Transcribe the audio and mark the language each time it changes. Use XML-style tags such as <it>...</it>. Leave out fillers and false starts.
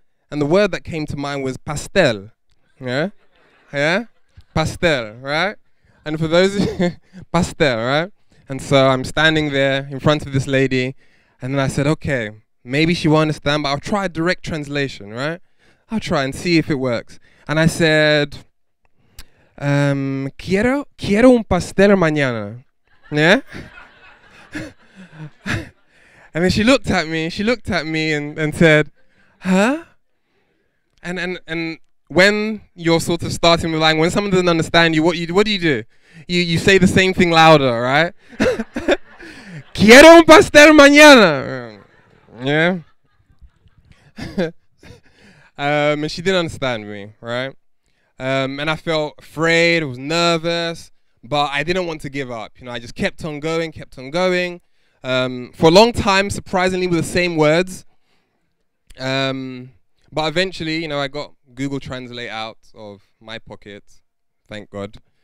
<en>And the word that came to mind was pastel. Yeah? Yeah? Pastel, right? And for those, pastel, right? And so I'm standing there in front of this lady, and then I said, okay, maybe she won't understand, but I'll try a direct translation, right? I'll try and see if it works. And I said,</en> <es>quiero un pastel mañana.</es> <en>Yeah? And then she looked at me and said, huh? And when you're sort of starting with language, when someone doesn't understand you, what do you do? You say the same thing louder, right?</en> <es>Quiero un pastel mañana.</es> <en>Yeah. And she didn't understand me, right? And I felt afraid, I was nervous, but I didn't want to give up. You know, I just kept on going. For a long time, surprisingly, with the same words. But eventually, you know, I got Google Translate out of my pocket, thank God.</en>